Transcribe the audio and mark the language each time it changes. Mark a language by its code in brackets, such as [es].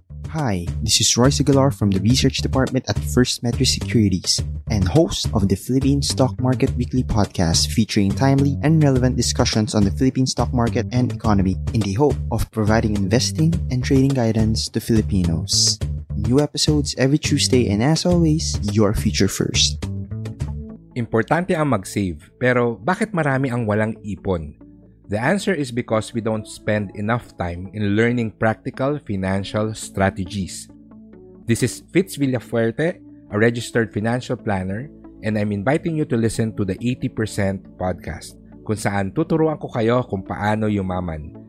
[en] Hi, this is Royce Aguilar from the Research Department at First Metro Securities and host of the Philippine Stock Market Weekly Podcast featuring timely and relevant discussions on the Philippine stock market and economy in the hope of providing investing and trading guidance to Filipinos. New episodes every Tuesday and as always, your future first. [tl] Importante ang mag-save, pero bakit marami ang walang ipon? [en] The answer is because we don't spend enough time in learning practical financial strategies. This is Fitz Villafuerte, a registered financial planner, and I'm inviting you to listen to the 80% podcast, [tl] kung saan tuturuan ko kayo kung paano yumaman.